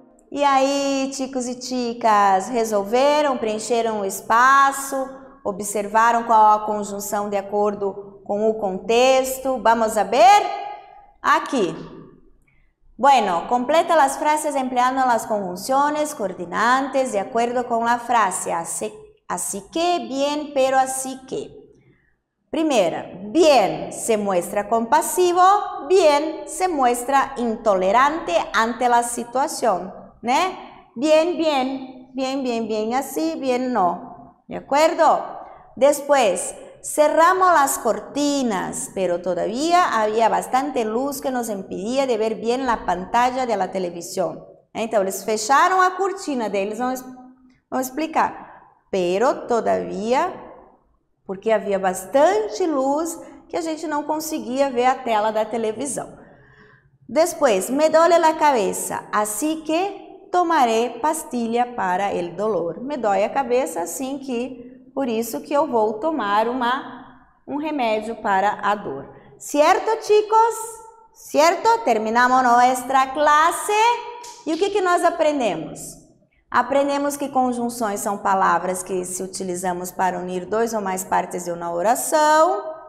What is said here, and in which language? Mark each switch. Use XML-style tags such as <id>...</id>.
<pt>E aí, chicos e chicas, resolveram, preencheram o espaço, observaram qual a conjunção de acordo com o contexto.</pt> <es>Vamos a ver?</es> <pt>Aqui.</pt> <es>Bueno, completa las frases empleando las conjunciones coordinantes de acuerdo con la frase así que, bien, pero así que. Primera, bien se muestra compasivo, bien se muestra intolerante ante la situación, ¿eh? Bien, bien, bien, bien, bien así, bien no. ¿De acuerdo? Después, cerramos las cortinas, pero todavía había bastante luz que nos impedía de ver bien la pantalla de la televisión. Entonces, fecharon la cortina de ellos, vamos explicar. Pero todavía, porque había bastante luz que a gente no conseguía ver la tela de la televisión. Después, me duele la cabeza, así que tomaré pastilla para el dolor. Me duele la cabeza, así que.</es> <pt>Por isso que eu vou tomar um remédio para a dor. Certo, chicos? Certo? Terminamos nossa classe. E o que que nós aprendemos? Aprendemos que conjunções são palavras que se utilizamos para unir dois ou mais partes de uma oração.</pt>